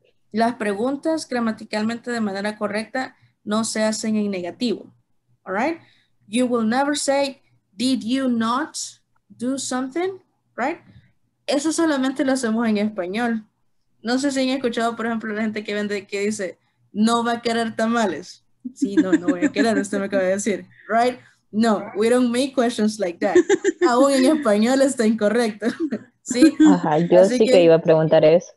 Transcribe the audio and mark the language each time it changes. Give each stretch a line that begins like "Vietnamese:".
Spanish: Las preguntas gramaticalmente de manera correcta no se hacen en negativo, all right?
English: You will never say, did you not do something, right?
Spanish: Eso solamente lo hacemos en español. No sé si han escuchado, por ejemplo, la gente que vende que dice, no va a querer tamales. Sí, no, no voy a querer, usted me acaba de decir, right?
English: No, we don't make questions like that.
Spanish: Aún en español está incorrecto. ¿Sí? Ajá, yo así sí que iba a preguntar eso.